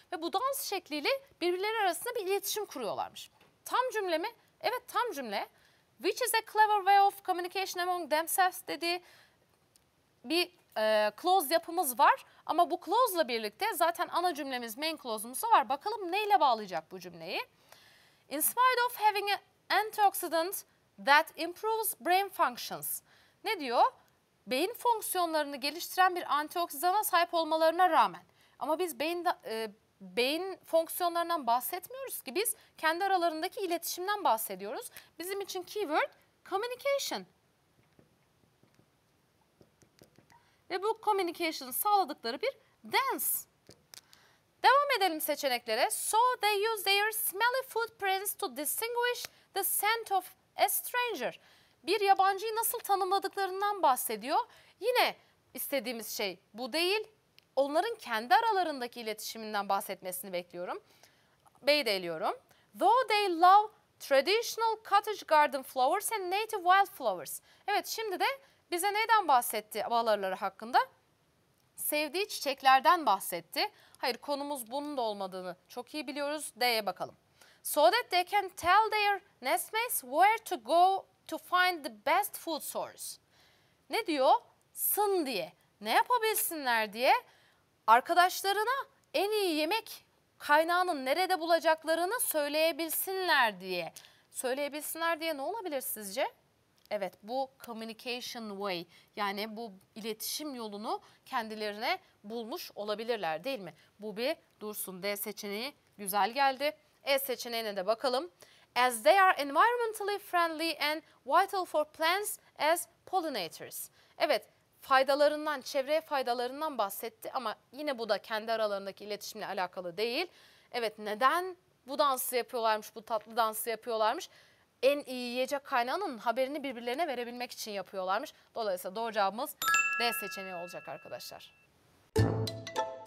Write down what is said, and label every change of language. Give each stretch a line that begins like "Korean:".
Turkish: Ve bu dans şekliyle birbirleri arasında bir iletişim kuruyorlarmış. Tam cümle mi? Evet, tam cümle.
English: Which is a clever way of communication among themselves
Turkish: dediği bir clause yapımız var. Ama bu clause'la birlikte zaten ana cümlemiz, main clause'umuz var. Bakalım neyle bağlayacak bu cümleyi?
English: In spite of having an antioxidant that improves brain functions.
Turkish: Ne diyor? Beyin fonksiyonlarını geliştiren bir antioksidana sahip olmalarına rağmen. Ama biz beyin fonksiyonlarından bahsetmiyoruz ki, biz kendi aralarındaki iletişimden bahsediyoruz. Bizim için keyword communication. Ve bu communication'ın sağladıkları bir dance. Devam edelim seçeneklere.
English: So they use their smelly footprints to distinguish the scent of a stranger.
Turkish: Bir yabancıyı nasıl tanımladıklarından bahsediyor. Yine istediğimiz şey bu değil. Onların kendi aralarındaki iletişiminden bahsetmesini bekliyorum. B'yi de eliyorum.
English: Though they love traditional cottage garden flowers and native wildflowers.
Turkish: Evet, şimdi de bize neyden bahsetti bal arıları hakkında? Sevdiği çiçeklerden bahsetti. Hayır, konumuz bunun da olmadığını çok iyi biliyoruz. D'ye bakalım.
English: So that they can tell their nestmates where to go to find the best food source.
Turkish: Ne diyor? Sın diye. Ne yapabilsinler diye? Arkadaşlarına en iyi yemek kaynağının nerede bulacaklarını söyleyebilsinler diye. Söyleyebilsinler diye ne olabilir sizce? Evet, bu
English: communication way,
Turkish: yani bu iletişim yolunu kendilerine bulmuş olabilirler değil mi? Bu bir dursun. D seçeneği güzel geldi. E seçeneğine de bakalım.
English: As they are environmentally friendly and vital for plants as pollinators.
Turkish: Evet, faydalarından, çevreye faydalarından bahsetti ama yine bu da kendi aralarındaki iletişimle alakalı değil. Evet, neden bu dansı yapıyorlarmış, bu tatlı dansı yapıyorlarmış? En iyi yiyecek kaynağının haberini birbirlerine verebilmek için yapıyorlarmış. Dolayısıyla doğru cevabımız D seçeneği olacak arkadaşlar.